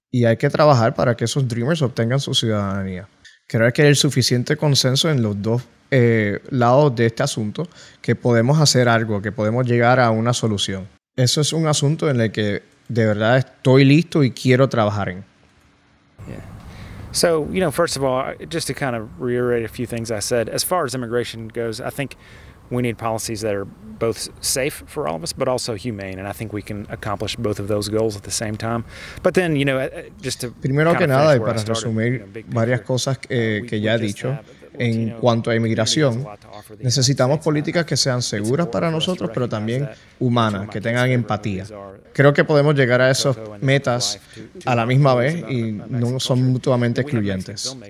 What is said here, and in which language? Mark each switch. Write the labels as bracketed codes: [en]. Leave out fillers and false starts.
[es] Y hay que trabajar para que esos Dreamers obtengan su ciudadanía. Creo que hay suficiente consenso en los dos lados de este asunto que podemos hacer algo, que podemos llegar a una solución. Eso es un asunto en el que de verdad estoy listo y quiero trabajar en. [en] Yeah. So, you know, first of all, just to kind of reiterate a few things I said, as far as immigration goes, I think we need policies that are both safe for all of us, but also humane. And I think we can accomplish both of those goals at the same time. But then, you know, just to [es] primero que nada, y para resumir varias cosas que ya he dicho, en cuanto a inmigración, necesitamos políticas que sean seguras para nosotros, pero también humanas, que tengan empatía. Creo que podemos llegar a esas metas a la misma vez y no son mutuamente excluyentes.